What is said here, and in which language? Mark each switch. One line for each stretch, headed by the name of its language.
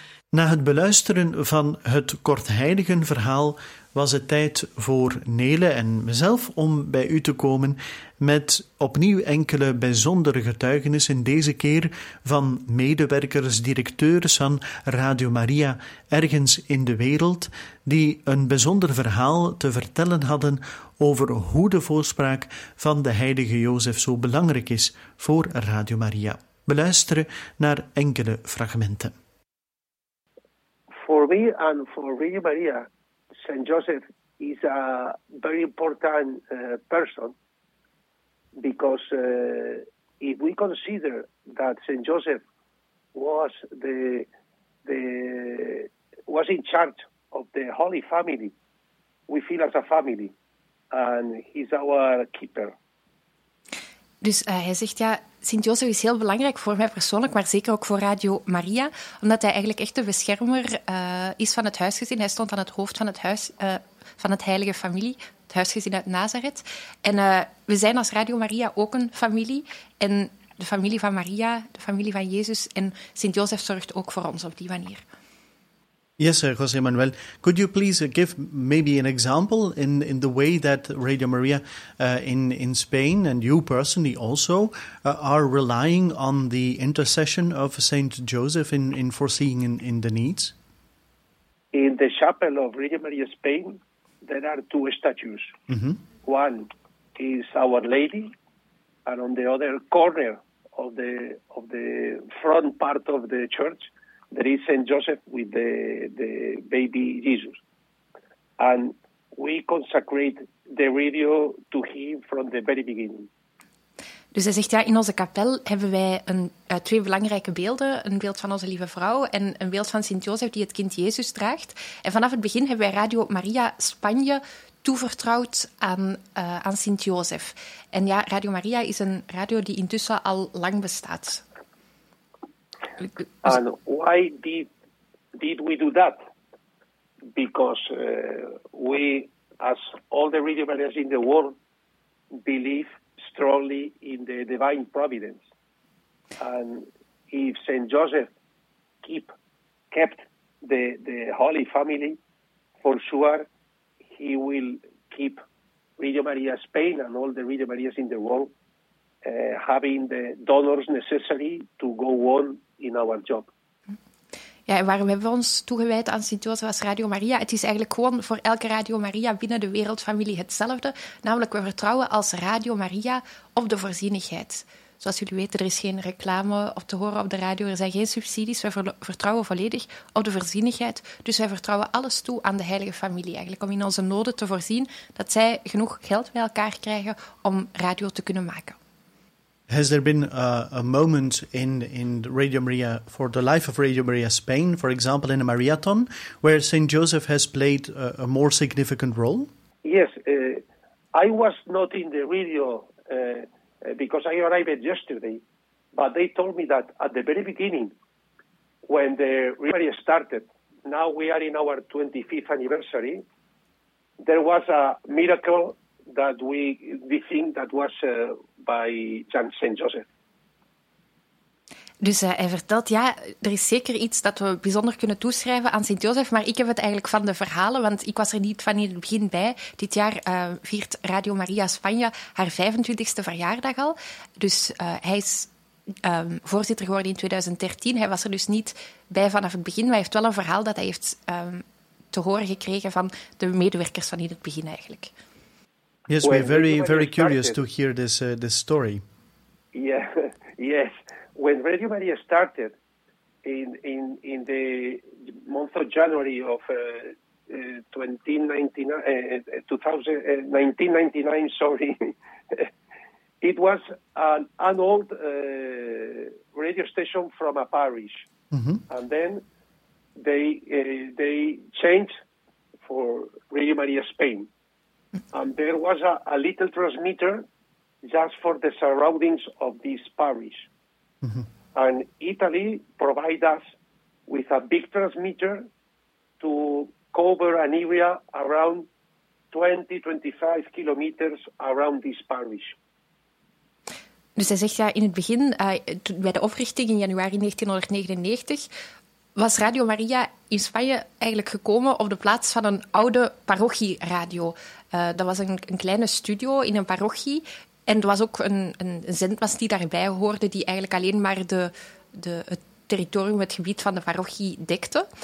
Dutch: Na het beluisteren van het kortheiligenverhaal was het tijd voor Nele en mezelf om bij u te komen met opnieuw enkele bijzondere getuigenissen, deze keer van medewerkers, directeurs van Radio Maria ergens in de wereld, die een bijzonder verhaal te vertellen hadden over hoe de voorspraak van de heilige Jozef zo belangrijk is voor Radio Maria. Beluisteren naar enkele fragmenten.
English: For me and for Radio Maria, Saint Joseph is a very important person, because if we consider that Saint Joseph was was in charge of the Holy Family, we feel as a family, and he's our keeper.
Dutch: Dus hij zegt, ja, Sint Jozef is heel belangrijk voor mij persoonlijk, maar zeker ook voor Radio Maria, omdat hij eigenlijk echt de beschermer is van het huisgezin. Hij stond aan het hoofd van het huis van het Heilige Familie, het huisgezin uit Nazareth. En we zijn als Radio Maria ook een familie. En de familie van Maria, de familie van Jezus, en Sint Jozef zorgt ook voor ons op die manier.
English: Yes, José Manuel, could you please give maybe an example in the way that Radio Maria in Spain and you personally also are relying on the intercession of Saint Joseph in foreseeing in the needs? In the chapel of Radio Maria Spain, there are two statues. Mm-hmm. One is Our Lady, and on the other corner of the front part of the church, there is Saint Joseph with the baby Jesus. And we consecrate the radio to him from the very beginning.
Dutch: Dus hij zegt, ja, in onze kapel hebben wij twee belangrijke beelden. Een beeld van onze lieve vrouw en een beeld van Sint-Jozef die het kind Jezus draagt. En vanaf het begin hebben wij Radio Maria Spanje toevertrouwd aan Sint-Jozef. En ja, Radio Maria is een radio die intussen al lang bestaat.
English: En why did we do that? Because we, as all the Radio Marias in the world, believe strongly in the divine providence. And if Saint Joseph kept the Holy Family, for sure he will keep Radio Maria Spain and all the Radio Marias in the world having the donors necessary to go on in our job.
Dutch: Ja, en waarom hebben we ons toegewijd aan Sint-Jozef als Radio Maria? Het is eigenlijk gewoon voor elke Radio Maria binnen de wereldfamilie hetzelfde. Namelijk, we vertrouwen als Radio Maria op de voorzienigheid. Zoals jullie weten, er is geen reclame op te horen op de radio. Er zijn geen subsidies. We vertrouwen volledig op de voorzienigheid. Dus wij vertrouwen alles toe aan de Heilige Familie. Eigenlijk om in onze noden te voorzien dat zij genoeg geld bij elkaar krijgen om radio te kunnen maken.
English: Has there been a moment in Radio Maria, for the life of Radio Maria Spain, for example, in a Mariathon, where St. Joseph has played a more significant role? Yes. I was not in the radio because I arrived yesterday, but they told me that at the very beginning, when the Radio Maria started, now we are in our 25th anniversary, there was a miracle that we think that was by St. Joseph.
Dutch: Dus hij vertelt, ja, er is zeker iets dat we bijzonder kunnen toeschrijven aan St. Joseph, maar ik heb het eigenlijk van de verhalen, want ik was er niet van in het begin bij. Dit jaar viert Radio Maria Spanje haar 25e verjaardag al. Dus hij is voorzitter geworden in 2013. Hij was er dus niet bij vanaf het begin, maar hij heeft wel een verhaal dat hij heeft te horen gekregen van de medewerkers van in het begin eigenlijk.
English: Yes, we're very, very curious to hear this story. Yeah, yes. When Radio Maria started in the month of January of 1999, it was an old radio station from a parish, mm-hmm. And then they changed for Radio Maria Spain. And there was a little transmitter just for the surroundings of this parish. Mm-hmm. And Italy provided us with a big transmitter to cover an area around 20, 25 kilometers around this parish.
Dutch: Dus hij zegt, ja, in het begin, bij de oprichting in januari 1999... was Radio Maria in Spanje eigenlijk gekomen op de plaats van een oude parochieradio. Dat was een kleine studio in een parochie. En er was ook een zendmast die daarbij hoorde, die eigenlijk alleen maar het territorium, het gebied van de parochie dekte.